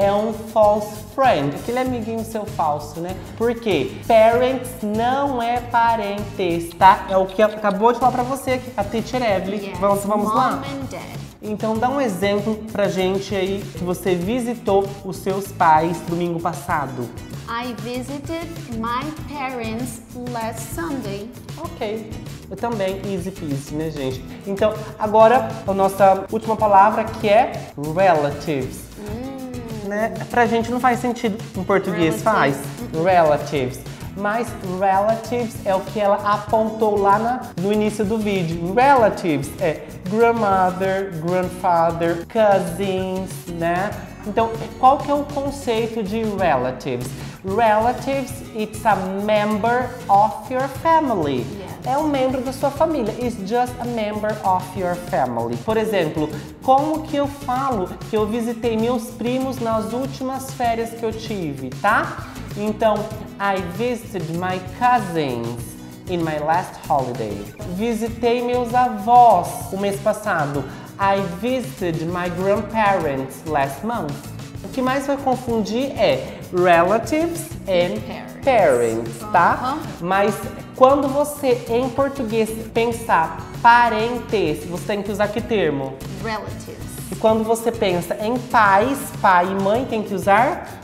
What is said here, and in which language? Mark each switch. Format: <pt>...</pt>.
<pt>É um false friend, aquele amiguinho seu falso, né? Por quê? Parents não é parentes, tá? É o que acabou de falar pra você aqui, a teacher Evelyn.</pt> <en>Yes.</en> <pt>Vamos</pt> <en>Mom</en> <pt>lá?</pt> <en>And dad.</en> <pt>Então, dá um exemplo pra gente aí que você visitou os seus pais domingo passado.</pt> <en>I visited my parents last Sunday. Ok.</en> <pt>Eu também,</pt> <en>easy peasy,</en> <pt>né, gente? Então, agora, a nossa última palavra, que é relatives. Né? Pra gente não faz sentido em português, Faz? Relatives. Mas relatives é o que ela apontou lá no início do vídeo.</pt> <en>Relatives é grandmother, grandfather, cousins, né?</en> <pt>Então, qual que é o conceito de relatives?</pt> <en>Relatives, it's a member of your family. Yes.</en> <pt>É um membro da sua família.</pt> <en>It's just a member of your family.</en> <pt>Por exemplo, como que eu falo que eu visitei meus primos nas últimas férias que eu tive, tá?</pt> <en>Então, I visited my cousins in my last holiday.</en> <pt>Visitei meus avós o mês passado.</pt> <en>I visited my grandparents last month.</en> <pt>O que mais vai confundir é relatives and parents, tá? Uh-huh. Mas quando você, em português, pensar parentes, você tem que usar que termo?</pt> <en>Relatives.</en> <pt>E quando você pensa em pais, pai e mãe, tem que usar?</pt>